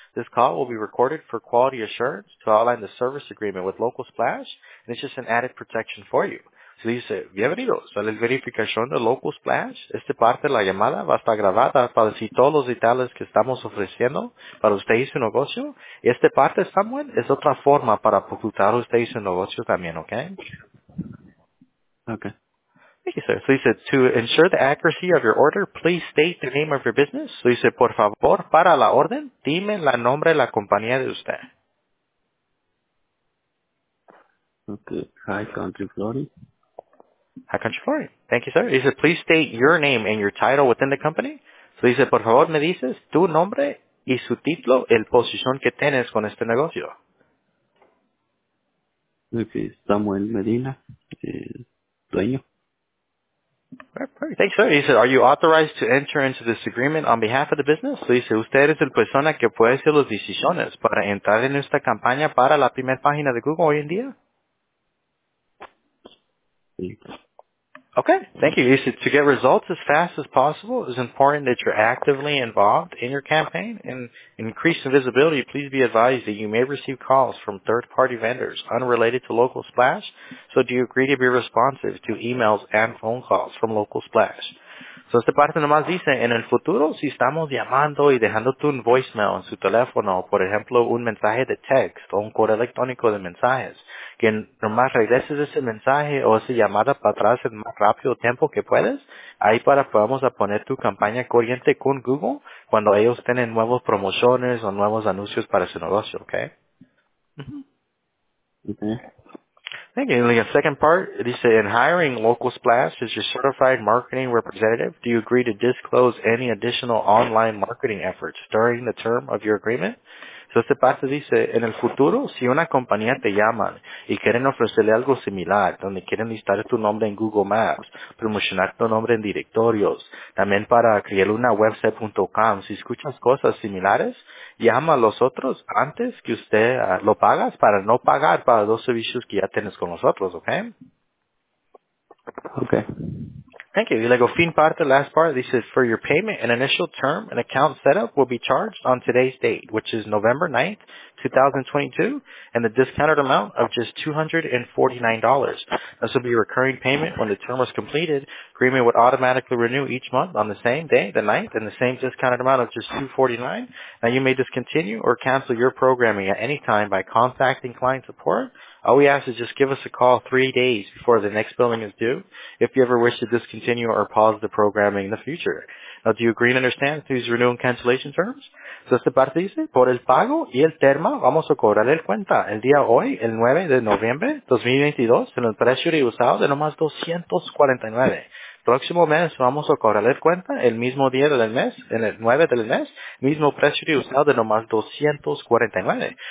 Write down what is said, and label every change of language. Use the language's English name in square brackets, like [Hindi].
[English] This call will be recorded for quality assurance to outline the service agreement with Local Splash, and it's just an added protection for you. [Spanish] Se dice, bienvenido, sale la verificación de Local Splash. Esta parte de la llamada va a estar grabada para decir todos los detalles que estamos ofreciendo para usted y su negocio. Y esta parte, Samuel, es otra forma para ocultar usted y su negocio también, ¿ok? [English] Ok. Thank you, sir. So he said, to ensure the accuracy of your order, please state the name of your business. So he said, [Spanish] por favor, para la orden, dime el nombre de la compañía de usted. [English] Ok. Hi, Country Flory. High Country Flory. Thank you, sir. He said, please state your name and your title within the company. So he said, [Spanish] por favor, me dices tu nombre y su título, el posición que tienes con este negocio. Ok. Samuel Medina, dueño. [English] Perfect. Thank you, sir. He said, are you authorized to enter into this agreement on behalf of the business? So he said, [Spanish] usted es el persona que puede hacer las decisiones para entrar en esta campaña para la primera página de Google hoy en día? Sí. [English] Okay, thank you. He said, to get results as fast as possible, it's important that you're actively involved in your campaign and increase the visibility. Please be advised that you may receive calls from third-party vendors unrelated to Local Splash. So do you agree to be responsive to emails and phone calls from Local Splash? [Spanish] So esta parte nomás dice, en el futuro, si estamos llamando y dejando tu voicemail en su teléfono, por ejemplo, un mensaje de text o un correo electrónico de mensajes, que nomás regreses ese mensaje o esa llamada para atrás en más rápido tiempo que puedes, ahí para podamos a poner tu campaña corriente con Google cuando ellos tienen nuevas promociones o nuevos anuncios para su negocio, ¿ok? [English] Okay. Thank you. And the second part, dice, in hiring Local Splash as your certified marketing representative, do you agree to disclose any additional online marketing efforts during the term of your agreement? [Spanish] So esta parte dice, en el futuro, si una compañía te llama y quieren ofrecerle algo similar, donde quieren listar tu nombre en Google Maps, promocionar tu nombre en directorios, también para crear una website.com, si escuchas cosas similares, llama a los otros antes que usted lo pagas para no pagar para los servicios que ya tienes con nosotros, ¿ok? [English] Ok. Thank you. [Spanish] Y luego, fin parte, [English] last part, this is for your payment, an initial term and account setup will be charged on today's date, which is November 9th, 2022, and the discounted amount of just $249. This will be a recurring payment when the term is completed. Agreement would automatically renew each month on the same day, the 9th, and the same discounted amount of just $249. Now, you may discontinue or cancel your programming at any time by contacting client support. All we ask is just give us a call 3 days before the next billing is due if you ever wish to discontinue or pause the programming in the future. Now, do you agree and understand these renewal and cancellation terms? [Spanish] So, esta parte dice, por el pago y el termo, vamos a cobrarle el cuenta el día hoy, el 9 de noviembre 2022, en el precio de usado de nomás $249. Próximo mes, vamos a cobrarle el cuenta el mismo día del mes, en el 9 del mes, mismo precio de usado de nomás $249.